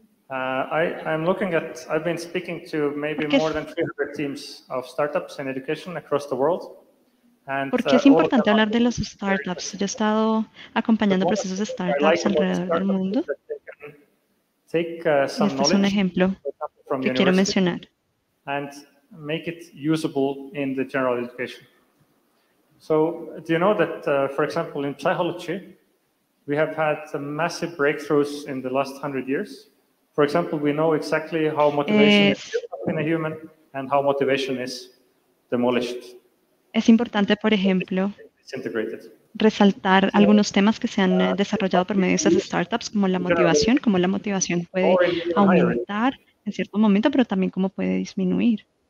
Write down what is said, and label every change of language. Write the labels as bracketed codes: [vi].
[en] I've been speaking to maybe more than 300 teams of startups in education across the world. [es] ¿Por qué es importante hablar de los startups? Yo he estado acompañando procesos de startups alrededor del mundo. Este es un ejemplo que quiero mencionar. [en] And make it usable in the general education. So, do you know that, for example, in psychology, we have had some massive breakthroughs in the last 100 years? For example, we know exactly how motivation is in a human and how motivation is demolished. [es] Es importante, por ejemplo, resaltar algunos temas que se han desarrollado por medio de estas startups, como la motivación, cómo la motivación puede aumentar en cierto momento, pero también cómo puede disminuir.